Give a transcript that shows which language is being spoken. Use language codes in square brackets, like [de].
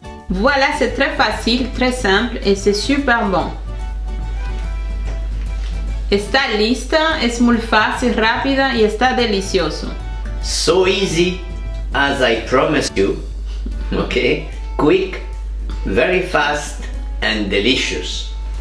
[fr] Voilà, c'est très facile, très simple et c'est super bon. [es] Está lista, es muy fácil, rápida y está delicioso. [en] So easy, as I promised you. Okay, quick, very fast and delicious.